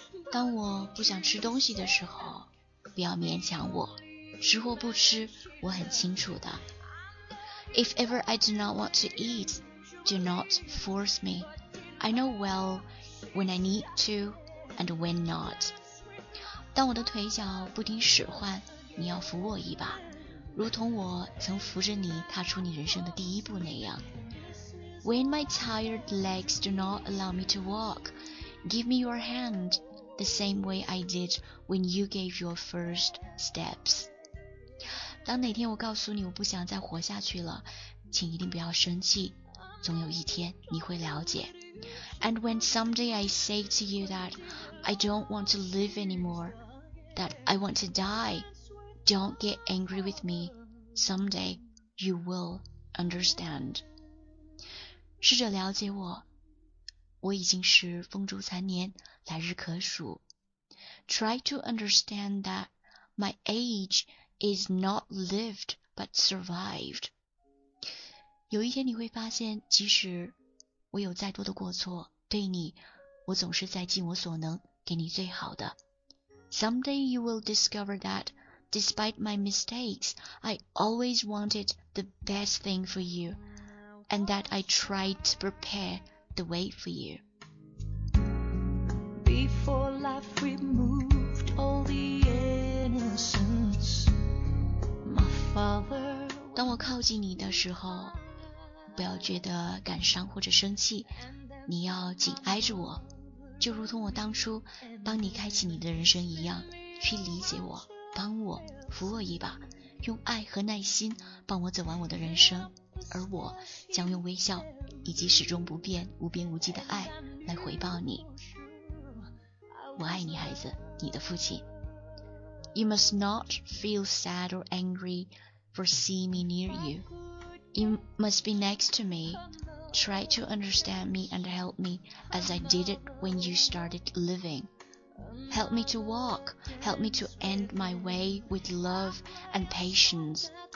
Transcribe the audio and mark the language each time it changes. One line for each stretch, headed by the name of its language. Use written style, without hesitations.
Chinese: 当我不想吃东西的时候，不要勉强我，吃或不吃，我很清楚的。
English: If ever I do not want to eat, do not force me. I know well when I need to and when not.
Chinese: 当我的腿脚不听使唤，你要扶我一把，如同我曾扶着你踏出你人生的第一步那样。
English: When my tired legs do not allow me to walk, give me your hand. The same way I did when you gave your first steps.
Chinese: 当哪天我告诉你我不想再活下去了，请一定不要生气，总有一天你会了解。
English: And when someday I say to you that I don't want to live anymore, that I want to die, don't get angry with me. Someday you will understand.
Chinese: 试着了解我。我已经是风烛残年，来日可数。
English: Try to understand that my age is not lived but survived.
Chinese: 有一天你会发现，即使我有再多的过错，对你，我总是在尽我所能给你最好的。
English: Someday you will discover that despite my mistakes, I always wanted the best thing for you, and that I tried to prepare. The way for you. Before life removed all the innocence, my father.
Chinese: 当我靠近你的时候，不要觉得感伤或者生气，你要紧挨着我，就如同我当初帮你开启你的人生一样，去理解我，帮我，扶我一把，用爱和耐心帮我走完我的人生，而我将用微笑以及始终不变无边无际的爱来回报你。我爱你，孩子，你的父亲。
English: You must not feel sad or angry for seeing me near you. You must be next to me. Try to understand me and help me as I did it when you started living. Help me to walk. Help me to end my way with love and patience.